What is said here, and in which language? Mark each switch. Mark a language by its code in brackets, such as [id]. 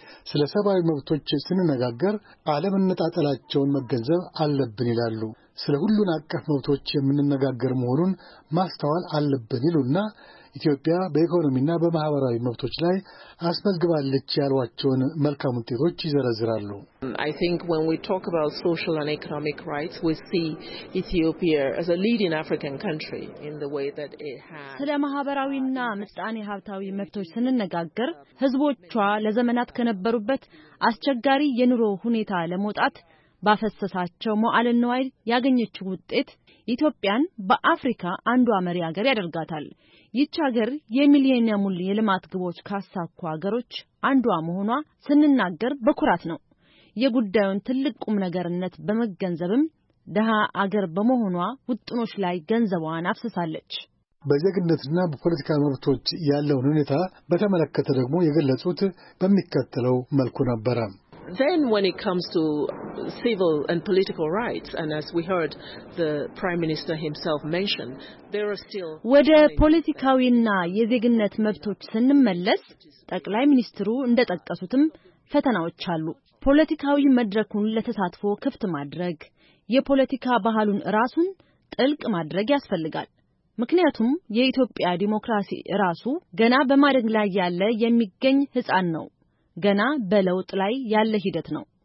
[am] ስለ ሰብአዊ መብቶች ስንነጋገር አለመነጣጠላቸውን መገንዘብ አለብን ይላሉ። ስለ ሁሉን አቀፍ መብቶች የምንነጋገር መሆኑን ማስተዋል አለብን ይሉና ኢትዮጵያ በኢኮኖሚና በማህበራዊ መብቶች ላይ አስመዝግባለች ያሏቸውን መልካም ውጤቶች ይዘረዝራሉ። [en] I think when we talk about social and economic rights, we see Ethiopia as a leading African country in the way that it has. [am] ስለ ማህበራዊና ምጣኔ ሀብታዊ መብቶች ስንነጋገር ህዝቦቿ ለዘመናት ከነበሩበት አስቸጋሪ የኑሮ ሁኔታ ለመውጣት ባፈሰሳቸው መዋዕለ ንዋይ ያገኘችው ውጤት ኢትዮጵያን በአፍሪካ አንዷ መሪ ሀገር ያደርጋታል። ይች ሀገር የሚሊኒየሙን የልማት ግቦች ካሳኩ ሀገሮች አንዷ መሆኗ ስንናገር በኩራት ነው። የጉዳዩን ትልቅ ቁም ነገርነት በመገንዘብም ደሃ አገር በመሆኗ ውጥኖች ላይ ገንዘቧን አፍስሳለች። በዜግነትና በፖለቲካ መብቶች ያለውን ሁኔታ በተመለከተ ደግሞ የገለጹት በሚከተለው መልኩ ነበር። [en] Then when it comes to civil and political rights, and as we heard the Prime Minister himself mention, there are still... [am] ወደ ፖለቲካዊና የዜግነት መብቶች ስንመለስ ጠቅላይ ሚኒስትሩ እንደጠቀሱትም ፈተናዎች አሉ። ፖለቲካዊ መድረኩን ለተሳትፎ ክፍት ማድረግ፣ የፖለቲካ ባህሉን ራሱን ጥልቅ ማድረግ ያስፈልጋል። ምክንያቱም የኢትዮጵያ ዲሞክራሲ ራሱ ገና በማደግ ላይ ያለ የሚገኝ ህፃን ነው። ገና በለውጥ ላይ ያለ ሂደት ነው።